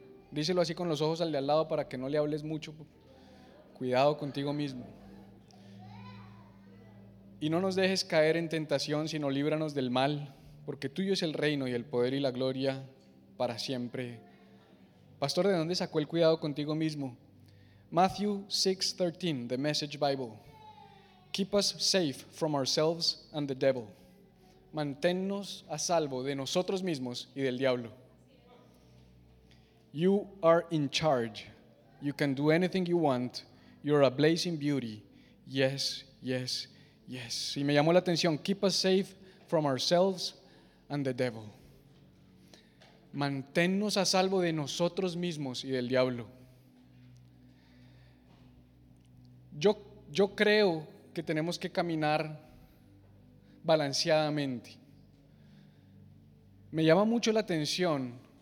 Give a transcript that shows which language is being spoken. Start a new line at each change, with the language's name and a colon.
Spanish: Díselo así con los ojos al de al lado para que no le hables mucho. Cuidado contigo mismo. Y no nos dejes caer en tentación, sino líbranos del mal, porque tuyo es el reino y el poder y la gloria para siempre. Pastor, ¿de dónde sacó el cuidado contigo mismo?
English: Matthew 6:13, The Message Bible. Keep us safe from ourselves and the devil.
Spanish: Manténnos a salvo de nosotros mismos y del diablo.
English: You are in charge. You can do anything you want. You're a blazing beauty. Yes, yes, yes.
Spanish: Y me llamó la atención.
English: Keep us safe from ourselves and the devil.
Spanish: Manténnos a salvo de nosotros mismos y del diablo. Yo creo que tenemos que caminar balanceadamente. Me llama mucho la atención